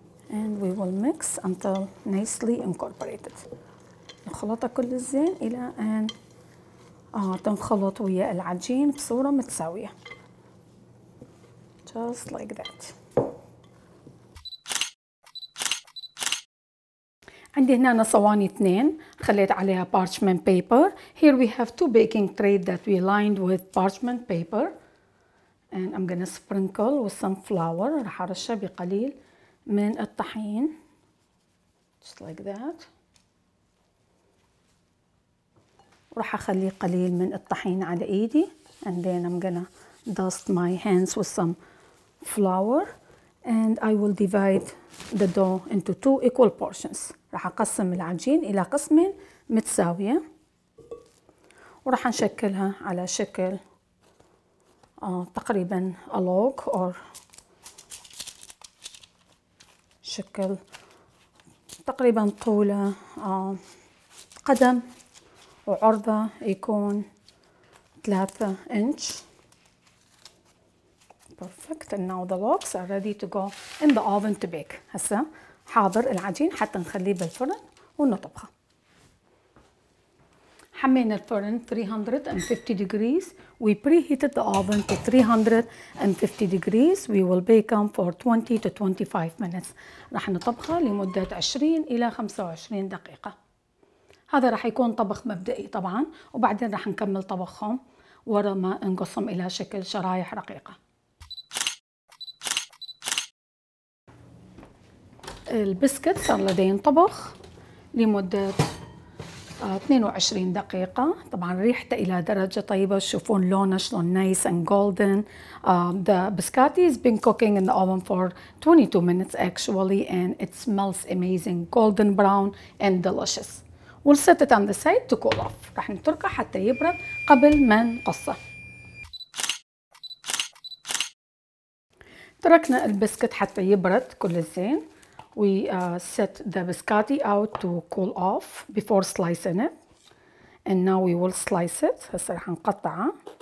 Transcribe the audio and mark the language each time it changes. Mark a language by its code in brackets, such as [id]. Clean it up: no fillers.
[en] And we will mix until nicely incorporated. [ar] نخلطها كل الزين إلى أن تنخلط ويا العجين بصورة متساوية [en] just like that. [ar] عندي هنا صواني اثنين خليت عليها parchment paper. [en] Here we have two baking trays that we lined with parchment paper. And I'm gonna sprinkle with some flour. [ar] رح أرشها بقليل من الطحين. [en] Just like that. [ar] ورح أخلي قليل من الطحين على إيدي. [en] And then I'm gonna dust my hands with some flour. And I will divide the dough into two equal portions. [ar] رح أقسم العجين إلى قسمين متساوية. ورح نشكلها على شكل تقريبا ألوغ أور شكل تقريبا طوله قدم وعرضة يكون 3 inches. [en] Perfect. And now the logs are ready to go in the oven to bake. [ar] هسا حاضر العجين حتى نخليه بالفرن ونطبخه. حمينا الفرن [en] 350 degrees. We preheated the oven to 350 degrees. We will bake them for 20 to 25 minutes. [ar] رح نطبخها لمدة 20 إلى 25 دقيقة. هذا رح يكون طبخ مبدئي طبعا، وبعدين رح نكمل طبخهم ورا ما نقصهم إلى شكل شرايح رقيقة. البسكت صار لدين طبخ لمدة 22 دقيقة. طبعا ريحته إلى درجة طيبة، تشوفون لونه شلون [en] nice and golden. The biscotti has been cooking in the oven for 22 minutes actually and it smells amazing, golden brown and delicious. We'll set it on the side to cool off. [ar] رح نتركه حتى يبرد قبل ما نقصه. تركنا البسكت حتى يبرد كل الزين. [en] We set the biscotti out to cool off before slicing it. And now we will slice it. [ar] هسا رح نقطعه.